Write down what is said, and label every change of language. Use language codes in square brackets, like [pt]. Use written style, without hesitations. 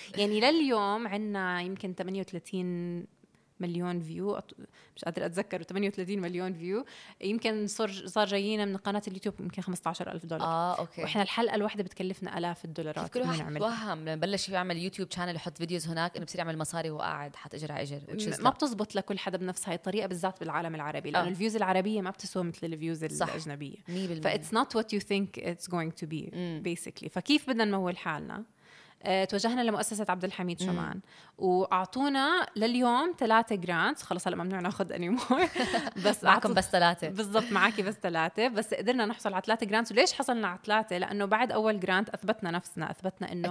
[ar] يعني لليوم عنا يمكن 38 مليون فيو، مش قادر أتذكر، 38 مليون فيو يمكن صار جايينا من قناة اليوتيوب يمكن $15,000. أوكي. وإحنا الحلقة الواحدة بتكلفنا آلاف الدولارات. كل واحد وهم لما بلش يعمل يوتيوب شانل يحط فيديوز هناك إنه بصير يعمل مصاري وقاعد حط إجر على إجر. ما بتزبط لكل حدا بنفس هاي الطريقة، بالذات بالعالم العربي، لأن الفيوز العربية ما بتسوى مثل الفيوز الأجنبية. [en] فا it's not what you think it's going to be basically. [ar] فكيف بدنا نمول حالنا؟ توجهنا لمؤسسة عبد الحميد شمان وأعطونا لليوم 3 جرانت. خلص هلأ ممنوع ناخد anymore بس معكم بس 3 بالضبط، معاكي بس 3، بس قدرنا نحصل على 3 جرانت. وليش حصلنا على 3؟ لأنه بعد أول جرانت أثبتنا نفسنا، أثبتنا أنه